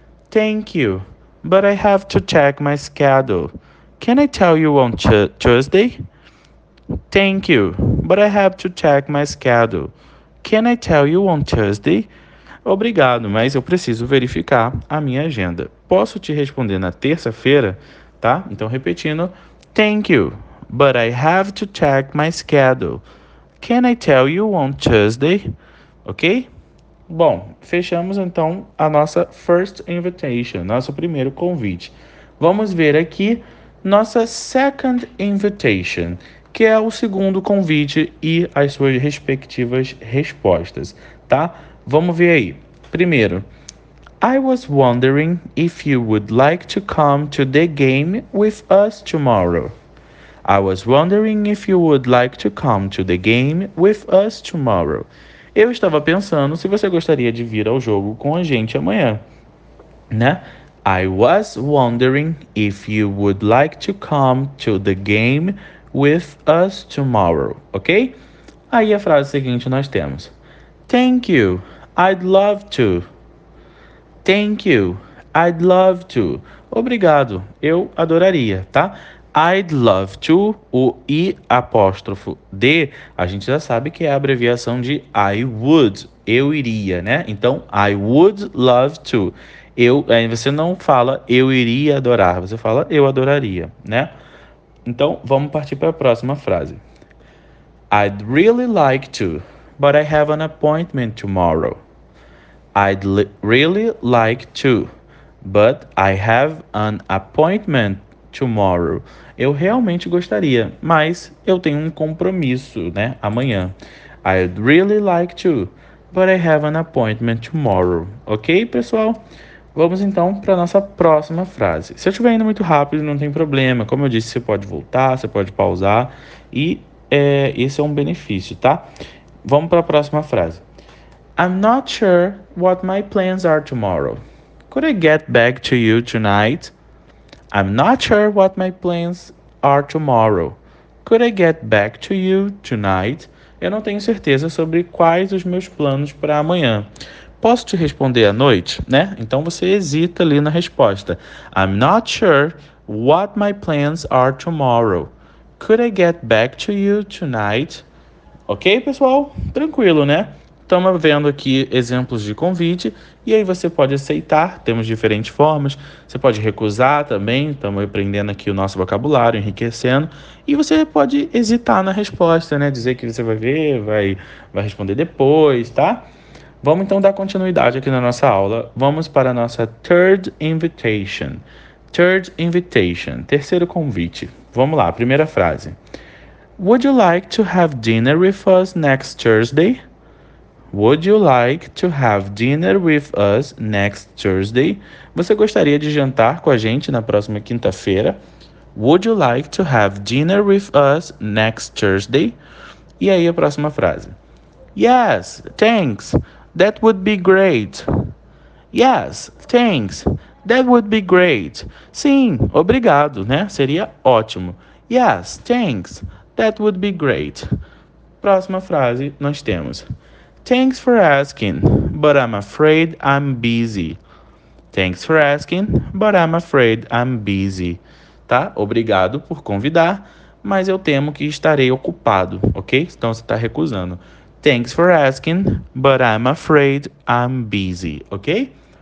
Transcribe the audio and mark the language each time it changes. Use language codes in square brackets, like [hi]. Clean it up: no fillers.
[en] Thank you, but I have to check my schedule. Can I tell you on Tuesday? Thank you, but I have to check my schedule. Can I tell you on Tuesday? [pt] Obrigado, mas eu preciso verificar a minha agenda. Posso te responder na terça-feira, tá? Então, repetindo. [en] Thank you, but I have to check my schedule. Can I tell you on Tuesday? Ok? [pt] Bom, fechamos então a nossa [en] first invitation, [pt] nosso primeiro convite. Vamos ver aqui nossa [en] second invitation, [pt] que é o segundo convite e as suas respectivas respostas, tá? Vamos ver aí. [en] Primeiro, I was wondering if you would like to come to the game with us tomorrow. I was wondering if you would like to come to the game with us tomorrow. [pt] Eu estava pensando se você gostaria de vir ao jogo com a gente amanhã, né? [en] I was wondering if you would like to come to the game with us tomorrow, ok? [pt] Aí a frase seguinte nós temos: [en] Thank you, I'd love to. Thank you, I'd love to. [pt] Obrigado, eu adoraria, tá? [en] I'd love to, [pt] o I apóstrofo D, a gente já sabe que é a abreviação de [en] I would, [pt] eu iria, né? [en] Então, I would love to. [pt] Aí você não fala eu iria adorar, você fala eu adoraria, né? Então, vamos partir para a próxima frase. [en] I'd really like to, but I have an appointment tomorrow. I'd really like to, but I have an appointment tomorrow. [pt] Eu realmente gostaria, mas eu tenho um compromisso, né, amanhã. [en] I'd really like to, but I have an appointment tomorrow. [pt] Ok, pessoal? Vamos então para a nossa próxima frase. Se eu estiver indo muito rápido, não tem problema. Como eu disse, você pode voltar, você pode pausar. Esse é um benefício, tá? Vamos para a próxima frase. [en] I'm not sure what my plans are tomorrow. Could I get back to you tonight? I'm not sure what my plans are tomorrow. Could I get back to you tonight? [pt] Eu não tenho certeza sobre quais os meus planos para amanhã. Posso te responder à noite, né? Então você hesita ali na resposta. [en] I'm not sure what my plans are tomorrow. Could I get back to you tonight? [pt] Ok, pessoal? Tranquilo, né? Estamos vendo aqui exemplos de convite e aí você pode aceitar, temos diferentes formas. Você pode recusar também, estamos aprendendo aqui o nosso vocabulário, enriquecendo. E você pode hesitar na resposta, né? Dizer que você vai ver, vai responder depois, tá? Vamos então dar continuidade aqui na nossa aula. Vamos para a nossa [en] third invitation. Third invitation, [pt] terceiro convite. Vamos lá, primeira frase. [en] Would you like to have dinner with us next Thursday? Would you like to have dinner with us next Thursday? [pt] Você gostaria de jantar com a gente na próxima quinta-feira? [en] Would you like to have dinner with us next Thursday? [pt] E aí a próxima frase. [en] Yes, thanks. That would be great. Yes, thanks. That would be great. [pt] Sim, obrigado, né? Seria ótimo. [en] Yes, thanks. That would be great. [pt] Próxima frase nós temos. [en] Thanks for asking, but I'm afraid I'm busy. Thanks for asking, but I'm afraid I'm busy. [pt] Tá? Obrigado por convidar, mas eu temo que estarei ocupado, ok? Então você está recusando. [en] Thanks for asking, but I'm afraid I'm busy, ok?